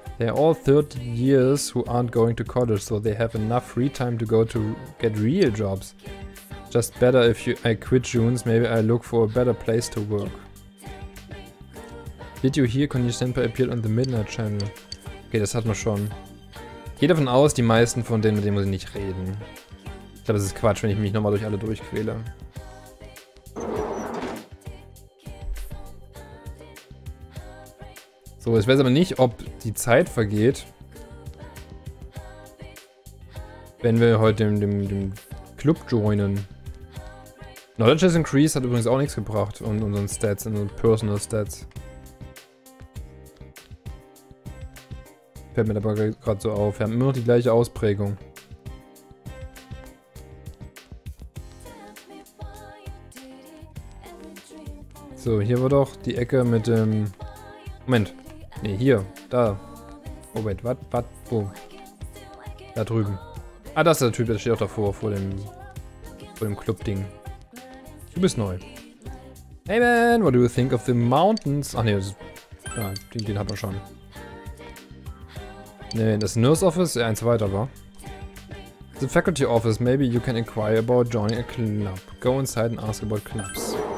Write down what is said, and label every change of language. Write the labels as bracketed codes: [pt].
[en] They're all third years who aren't going to college, so they have enough free time to go to get real jobs. Just better if I quit June's, maybe I look for a better place to work. Did you hear Konya Senpai appeared on the Midnight Channel? [de] Okay, das hat man schon. Ich gehe davon aus, die meisten von denen, mit denen muss ich nicht reden. Ich glaube, das ist Quatsch, wenn ich mich nochmal durch alle durchquäle. So, ich weiß aber nicht, ob die Zeit vergeht, wenn wir heute dem Club joinen. [en] Knowledge has increased [de] hat übrigens auch nichts gebracht und unseren Stats, unseren Personal Stats. Fällt mir aber gerade so auf. Wir haben immer noch die gleiche Ausprägung. So, hier war doch die Ecke mit dem... Moment. Ne, hier. Da. [en] Oh, wait. [de] Was? Wo? Da drüben. Ah, das ist der Typ, der steht auch davor, vor dem Club-Ding. Du bist neu. [en] Hey, man, what do you think of the mountains? [de] Ach, ne, ja, den hat man schon. Ne, das Nurse Office? Ja, eins weiter, wa? [en] The Faculty Office, maybe you can inquire about joining a club. Go inside and ask about clubs.